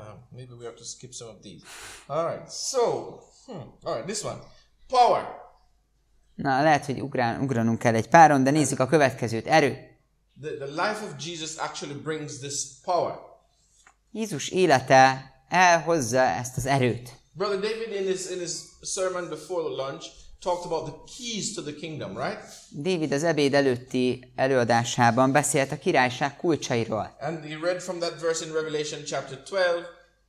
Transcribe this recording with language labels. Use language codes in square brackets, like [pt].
[en] maybe we have to skip some of these. All right. So, all right. This one, power. [hu] Na, lehet, hogy ugranunk kell egy páron, de nézzük a következőt. Erő. [en] The life of Jesus actually brings this power. [hu] Jézus élete elhozza ezt az erőt. [en] Brother David in his sermon before lunch talked about the keys to the kingdom, right? [hu] David az ebéd előtti előadásában beszélt a királyság kulcsairól. [en] And he read from that verse in Revelation chapter 12.